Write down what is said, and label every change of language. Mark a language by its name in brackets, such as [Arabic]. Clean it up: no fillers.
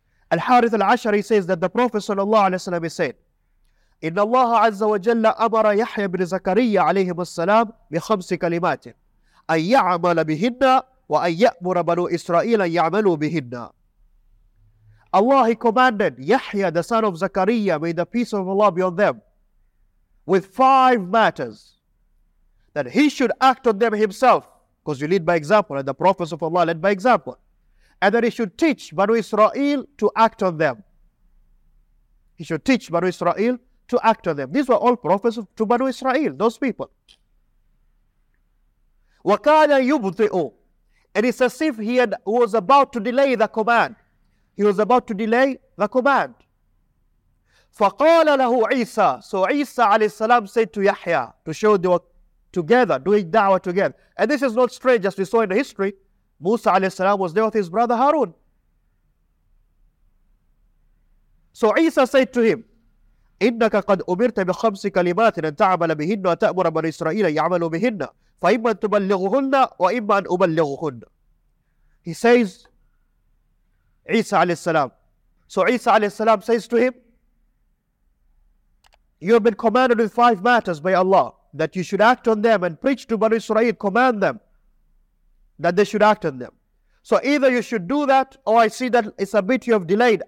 [English] Al-Harith Al-Ash'ari says that the Prophet sallallahu alayhi wa sallam said, [Arabic] إن الله عز وجل أمر يحيى بن زكريا عليه السلام بخمس كلمات أن يعمل بهن وأن يأمر بنو إسرائيل أن يعملوا بهن. [English] Allah commanded Yahya the son of Zakaria, may the peace of Allah be on them, with 5 matters, that he should act on them himself, because you lead by example, and the prophets of Allah led by example, and that he should teach Banu Israel to act on them. He should teach Banu Israel to act on them. These were all prophets to Banu Israel, those people. [Arabic] وَكَانَ يُبْطِئُ. [English] And it's as if he was about to delay the command. He was about to delay the command. [Arabic] فَقَالَ لَهُ عِيسَى. [English] So Isa alayhi salam said to Yahya, to show they were together, doing da'wah together. And this is not strange, as we saw in the history. Musa alayhi salam was there with his brother Harun. So Isa said to him, [Arabic] إنك قد أمرت بخمس كلمات أن تعمل بهن وتأمر بني إسرائيل يعملوا بهن فإما أن تبلغهن وإما أن أبلغهن. [English] He says, Isa alayhi salam. So Isa alayhi salam says to him, you have been commanded with five matters by Allah, that you should act on them and preach to Banu Israel, command them that they should act on them. So either you should do that, or I see that it's a bit you have delayed.